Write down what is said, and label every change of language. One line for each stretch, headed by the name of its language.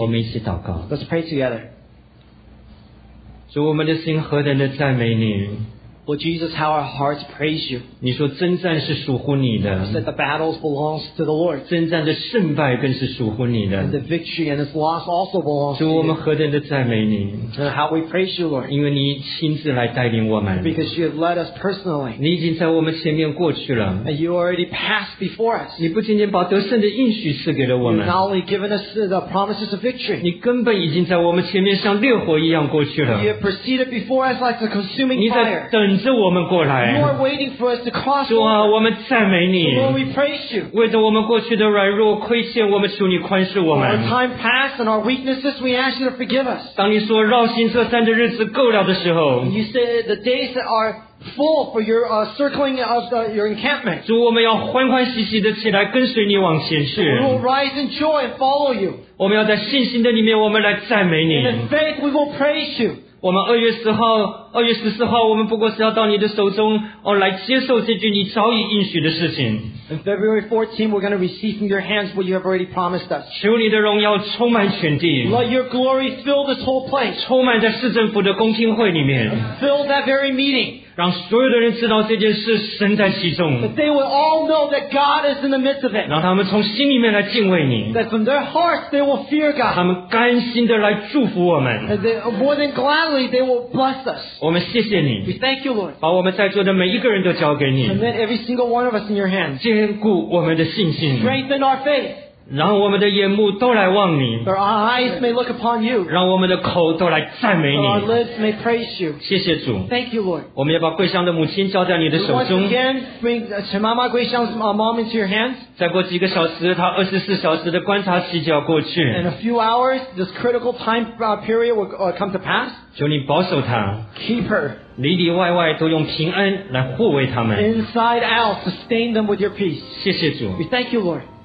Chinese: 我们一起祷告。
English: Let's pray together.
Chinese: 主，我们的心何等的赞美你。
English: Lord Jesus, how our hearts praise you.
Chinese: 你说征战是属乎你的。
English: You said the battles belongs to the Lord.
Chinese: 征战的胜败更是属乎你的。
English: And the victory and its loss also belongs to you.
Chinese: 主，我们何等的赞美你。
English: And how we praise you, Lord.
Chinese: 因为你亲自来带领我们。
English: Because you have led us personally.
Chinese: 你已经在我们前面过去了。
English: And you already passed before us.
Chinese: 你不仅仅把得胜的应许赐给了我们。
English: You've not only given us the promises of victory.
Chinese: 你根本已经在我们前面像烈火一样过去了。
English: You have proceeded before us like a consuming fire.
Chinese: 你在等。等着我们过来。
English: You are waiting for us to cross.
Chinese: 主啊，我们赞美你。
English: Lord, we praise you.
Chinese: 为着我们过去的软弱亏欠，我们求你宽恕我们。
English: Our time passed and our weaknesses, we ask you to forgive us.
Chinese: 当你说绕行这山的日子够了的时候
English: ，You said the days that are full for your circling of your encampment.
Chinese: 主，我们要欢欢喜喜的起来跟随你往前去。
English: We will rise in joy and follow you.
Chinese: 我们要在信心的里面，我们来赞美你。
English: In faith, we will praise you.
Chinese: 我们2月10号2月14号我们不过是要到你的手中、哦、来接受这句你早已应许的事情
English: On February 14 we're going to receive from your hands what you have already promised us
Chinese: 求你的荣耀充满全地
English: Let your glory fill this whole place
Chinese: 充满在市政府的公听会里面
English: Fill that very meeting
Chinese: 让所有的人知道这件事身在其中
English: That they will all know that God is in the midst of it
Chinese: 让他们从心里面来敬畏你
English: That from their hearts they will fear God
Chinese: 他们甘心的来祝福我们
English: And they, more than gladThey will bless us.
Chinese: 我们谢谢你
English: We thank you, Lord.
Chinese: 把我们在座的每一个人都交给你
English: Commit every single one of us in your hands.
Chinese: 坚固我们的信心
English: Strengthen our faith.
Chinese: 让我们的眼目都来望你
English: Our eyes may look upon you.
Chinese: 让我们的口都来赞美你
English: Our lips may praise you.
Chinese: 谢谢主
English: Thank you, Lord.
Chinese: 我们要把桂香的母亲交在你的手中
English: Once again, bring Chimama Guixiang's mom into your hands.
Chinese: 再过几个小时她24小时的观察期就要过去
English: In a few hours, this critical time period will come to pass.
Chinese: 求你保守他
English: ，keep her，
Chinese: 里里外外都用平安来护卫他们
English: ，inside out sustain them with your peace。
Chinese: 谢谢主
English: ，we thank you, Lord。